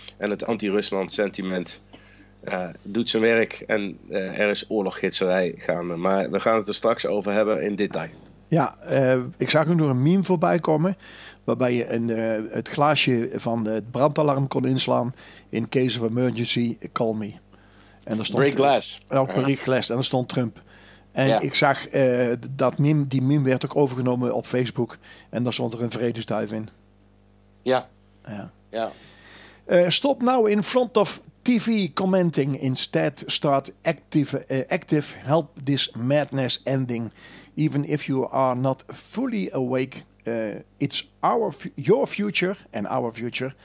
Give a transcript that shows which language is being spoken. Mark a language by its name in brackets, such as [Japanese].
[Dutch] En het anti-Rusland sentiment doet zijn werk. En er is oorloggidserij gaande. Maar we gaan het er straks over hebben in detail. Ja, ik zag nog een meme voorbij komen. Waarbij je het glaasje van het brandalarm kon inslaan. [English] In case of emergency, call me. [Dutch] En er stond [English] break glass. Break glass. [Dutch] En er stond Trump. En ja. Ik zag dat meme werd ook overgenomen op Facebook. En daar stond er een vredesduif in. Ja. Ja. Ja. [English] Stop now in front of TV commenting. Instead start active help this madness ending. Even if you are not fully awake, it's your future and our future.